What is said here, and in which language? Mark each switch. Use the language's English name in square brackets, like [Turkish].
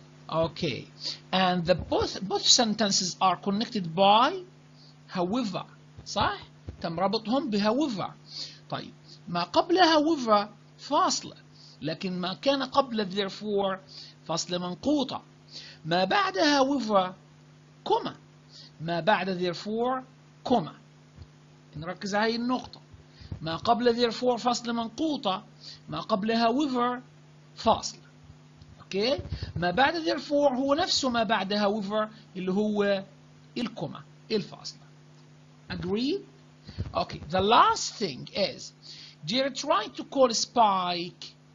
[English] Okay, and the both sentences are connected by however, [Arabic] صح؟ تم ربطهم ب [English] however. [Arabic] طيب, ما قبل however فاصلة, لكن ما كان قبل therefore فاصلة منقوطة. ما بعد however كما, ما بعد therefore كما. نركز على هاي النقطة. ما قبل therefore فاصلة منقوطة, ما قبل however فاصلة. Okay. ما بعد therefore هو نفسه ما بعد however اللي هو الكما الفاصلة. [English] Agreed? Okay. The last thing is, Jared tried to call Spike.